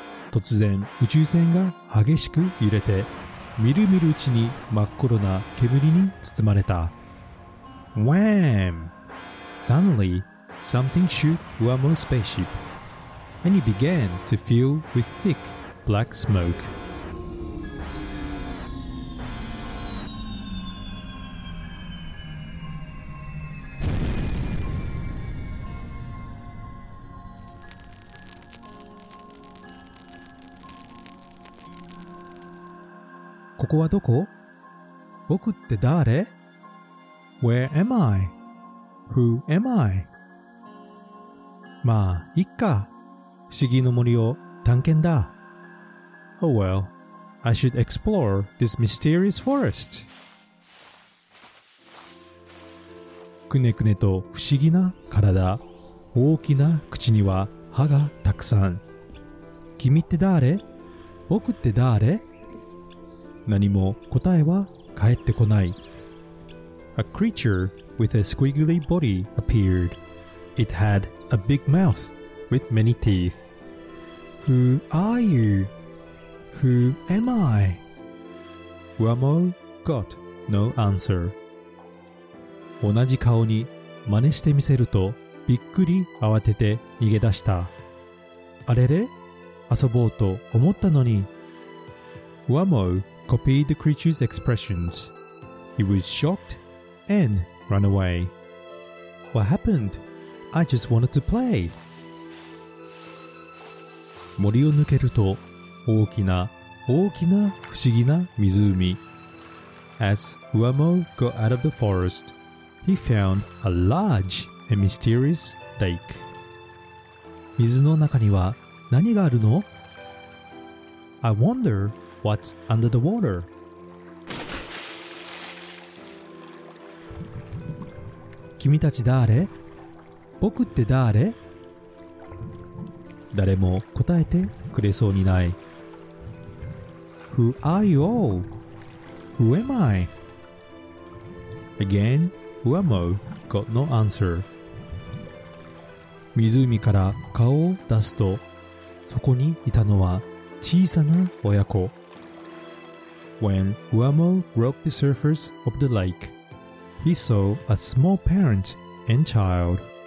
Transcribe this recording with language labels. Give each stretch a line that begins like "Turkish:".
Japanese: 突然宇宙船が激しく揺れて、みるみるうちに真っ黒な煙に包まれた。ウェーン。
English: Suddenly, something shook Uamo's spaceship, and it began to fill with thick black smoke.
Japanese: ここはどこ？僕って誰？
English: Where am I? Who am I?
Japanese: まあ、いっか。不思議の森を探検だ。
English: Oh well, I should explore this mysterious forest.
Japanese: くねくねと不思議な体、大きな口には歯がたくさん。君って誰？僕って誰？何も答えは返ってこない。
English: A creature with a squiggly body appeared. It had a big mouth with many teeth. Who are you? Who am I? ウアモー got no answer.
Japanese: 同じ顔に真似してみせるとびっくり慌てて逃げ出した。あれれ?遊ぼうと思ったのに。
English: Wamo copied the creature's expressions. He was shocked and ran away. What happened? I just wanted to play.
Japanese: 森を抜けると大きな大きな不思議な湖。
English: As Wamo got out of the forest, he found a large and mysterious lake.
Japanese: 水の中には何があるの?
English: I wonder what's under the water.
Japanese: 君たち誰?僕って誰? 誰も答えてくれそうにない。
English: Who are you all? Who am I? Again, Wamo got no answer.
Japanese: 湖から顔を出すと、そこにいたのは小さな親子。
English: When Wamo broke the surface of the lake, he saw a small parent and child.